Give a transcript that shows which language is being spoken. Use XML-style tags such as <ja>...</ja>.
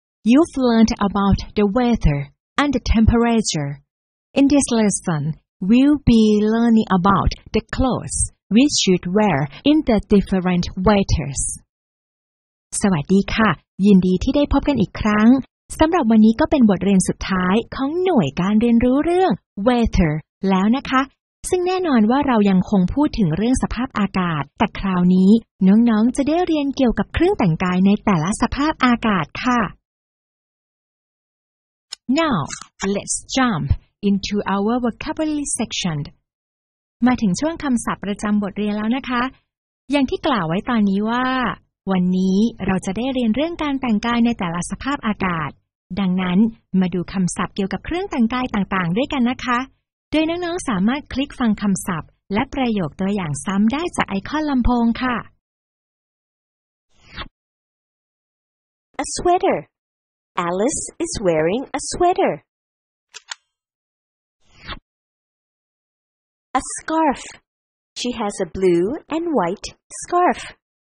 <en>You've learned about the weather and the temperature. In this lesson, we'll be learning about the clothes we should wear in the different weathers.</en> <th>สวัสดีค่ะยินดีที่ได้พบกันอีกครั้งสำหรับวันนี้ก็เป็นบทเรียนสุดท้ายของหน่วยการเรียนรู้เรื่อง weather แล้วนะคะซึ่งแน่นอนว่าเรายังคงพูดถึงเรื่องสภาพอากาศแต่คราวนี้น้องๆจะได้เรียนเกี่ยวกับเครื่องแต่งกายในแต่ละสภาพอากาศค่ะ</th> <en>Now let's jump into our vocabulary section</en> <th>มาถึงช่วงคำศัพท์ประจำบทเรียนแล้วนะคะอย่างที่กล่าวไว้ตอนนี้ว่าวันนี้เราจะได้เรียนเรื่องการแต่งกายในแต่ละสภาพอากาศดังนั้นมาดูคำศัพท์เกี่ยวกับเครื่องแต่งกายต่างๆด้วยกันนะคะโดยน้องๆสามารถคลิกฟังคำศัพท์และประโยคตัวอย่างซ้ำได้จากไอคอนลำโพงค่ะ</th> <en>A sweater. Alice is wearing a sweater. A scarf. She has a blue and white scarf.</en>